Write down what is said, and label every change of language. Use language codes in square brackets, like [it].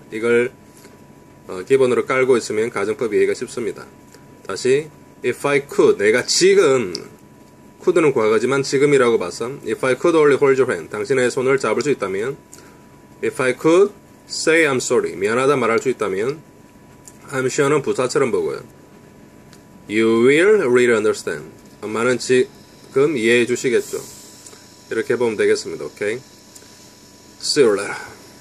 [ko] 이걸 기본으로 깔고 있으면 가정법 이해가 쉽습니다. 다시 [en] If I could, [ko] 내가 지금 could는 과거지만 지금이라고 봐서 [en] If I could only hold your hand, [ko] 당신의 손을 잡을 수 있다면 [en] If I could say I'm sorry, [ko] 미안하다 말할 수 있다면 [en] I'm sure [ko] 는 부사처럼 보고요. [en] You will really understand. [ko] 엄마는 지금 이해해 주시겠죠. 이렇게 보면 되겠습니다. [en] Okay? See you later.